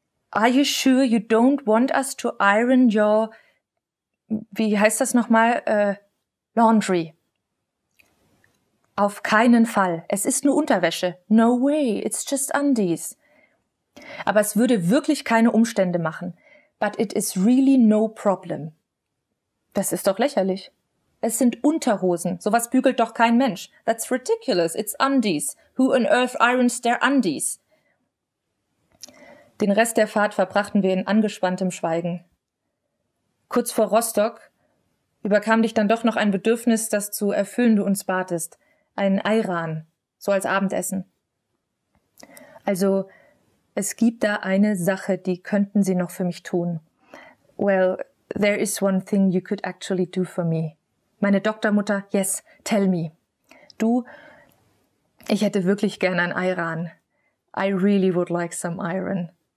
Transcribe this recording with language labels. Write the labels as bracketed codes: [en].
[en] Are you sure you don't want us to iron your, [de] wie heißt das nochmal, [en] laundry? [de] Auf keinen Fall. Es ist nur Unterwäsche. [en] No way, it's just undies. [de] Aber es würde wirklich keine Umstände machen. [en] But it is really no problem. [de] Das ist doch lächerlich. Es sind Unterhosen. Sowas bügelt doch kein Mensch. [en] That's ridiculous. It's undies. Who on earth irons their undies? [de] Den Rest der Fahrt verbrachten wir in angespanntem Schweigen. Kurz vor Rostock überkam dich dann doch noch ein Bedürfnis, das zu erfüllen du uns batest. Ein Ayran. So als Abendessen. Also, es gibt da eine Sache, die könnten sie noch für mich tun. [en] Well, there is one thing you could actually do for me. [de] Meine Doktormutter, [en] yes, tell me. [de] Du, ich hätte wirklich gern ein Ayran. [en] I really would like some iron.